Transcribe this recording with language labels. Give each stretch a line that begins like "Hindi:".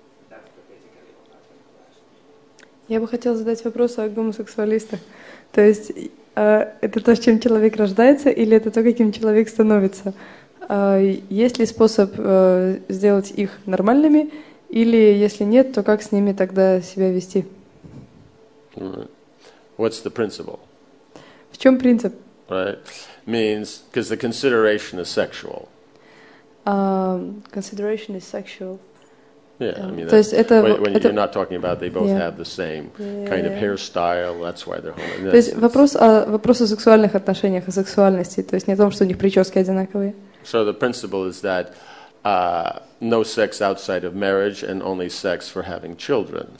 English: That's the basically what I'm going to ask.
Russian: Я бы хотел задать вопрос о гомосексуалистах. То есть это то, с чем человек рождается, или это то, каким человек становится? Есть ли способ сделать их нормальными, или если нет, то как с ними тогда себя вести?
English: What's the principle?
Russian: В чем принцип?
English: Right. Means, because the consideration is sexual. Consideration is sexual. You're not talking about they both have the same kind of hairstyle, that's why they're homo.
Russian: То есть вопрос о сексуальных отношениях, о сексуальности, то есть не о том, что у них прически одинаковые.
English: So the principle is that no sex outside of marriage and only sex for having children.